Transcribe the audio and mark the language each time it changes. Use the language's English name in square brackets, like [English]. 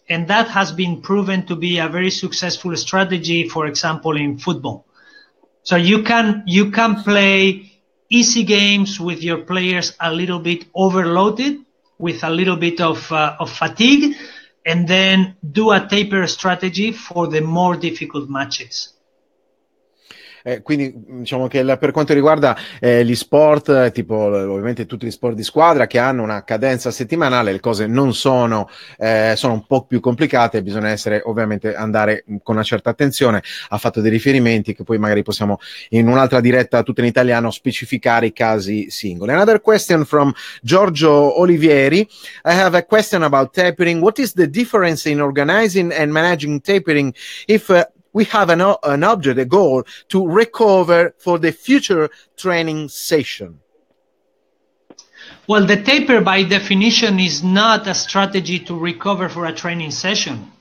[English] And that has been proven to be a very successful strategy, for example, in football. So you can play easy games with your players a little bit overloaded, with a little bit of fatigue, and then do a taper strategy for the more difficult matches. [Italian] Quindi diciamo che per quanto riguarda gli sport, tipo ovviamente tutti gli sport di squadra che hanno una cadenza settimanale, le cose non sono, sono un po' più complicate, bisogna essere ovviamente andare con una certa attenzione. Ha fatto dei riferimenti che poi magari possiamo in un'altra diretta tutta in italiano specificare i casi singoli. [English] Another question from Giorgio Olivieri. I have a question about tapering. What is the difference in organizing and managing tapering if we have an object, a goal, to recover for the future training session? Well, the taper by definition is not a strategy to recover for a training session.